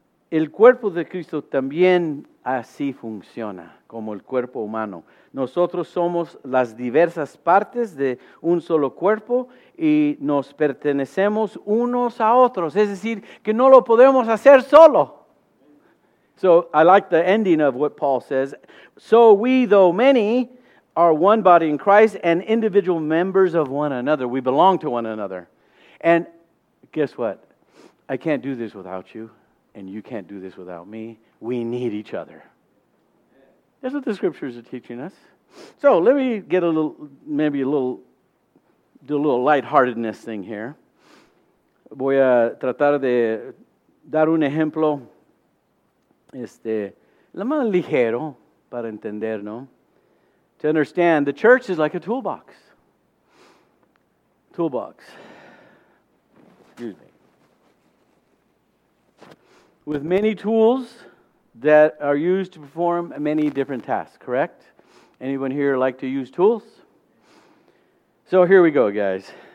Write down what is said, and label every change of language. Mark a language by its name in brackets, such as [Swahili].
[Spanish] El cuerpo de Cristo también así funciona, como el cuerpo humano. Nosotros somos las diversas partes de un solo cuerpo y nos pertenecemos unos a otros. Es decir, que no lo podemos hacer solo. [English] So, I like the ending of what Paul says. So, we, though many, are one body in Christ and individual members of one another. We belong to one another. And guess what? I can't do this without you, and you can't do this without me. We need each other. That's what the scriptures are teaching us. So let me get a little lightheartedness thing here. [Spanish] Voy a tratar de dar un ejemplo, lo más ligero para entender, ¿no? [English] To understand, the church is like a toolbox. Toolbox. Excuse me. With many tools that are used to perform many different tasks, correct? Anyone here like to use tools? So here we go, guys.